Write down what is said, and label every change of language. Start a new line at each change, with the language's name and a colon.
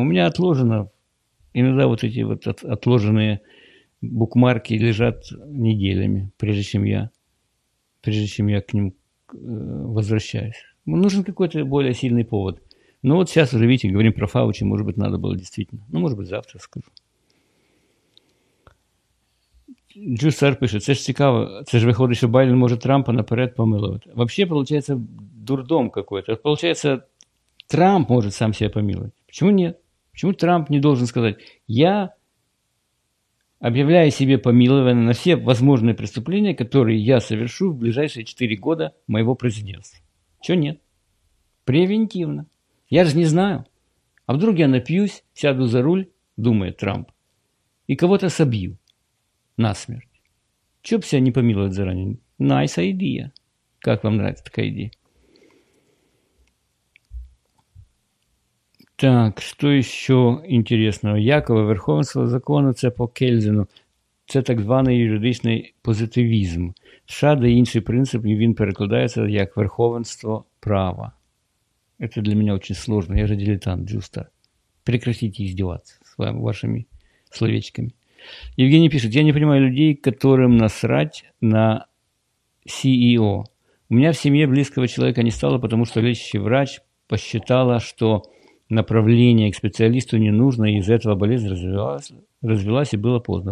Russian: У меня отложено иногда вот эти вот отложенные букмарки лежат неделями, прежде чем я к ним возвращаюсь. Нужен какой-то более сильный повод. Ну вот сейчас уже, видите, говорим про Фаучи, может быть, надо было действительно. Ну, может быть, завтра скажу.
Ukrainian: Джусар пишет, це ж цікаво, це ж виходить, що Байден може Трампа наперед помилувати.
Russian: Вообще, получается, дурдом какой-то. Получается, Трамп может сам себя помиловать. Почему нет? Почему Трамп не должен сказать, я объявляю себе помилование на все возможные преступления, которые я совершу в ближайшие 4 года моего президентства? Чего нет? Превентивно. Я же не знаю. А вдруг я напьюсь, сяду за руль, думает Трамп, и кого-то собью насмерть. Чего бы себя не помиловать заранее?
English: Nice idea.
Russian: Как вам нравится такая идея? Так, что еще интересного?
Ukrainian: Якова верховенство закону – це по Кельзину. Це так званий юридичний позитивізм. США де інший принцип, і він перекладається як верховенство права.
Russian: Это для меня очень сложно. Я же дилетант, джустер. Прекратите издеваться с вашими словечками. Евгений пишет, я не понимаю людей, которым насрать на CEO. У меня в семье близкого человека не стало, потому что лечащий врач посчитала, что направление к специалисту не нужно, и из этого болезнь развилась и было поздно.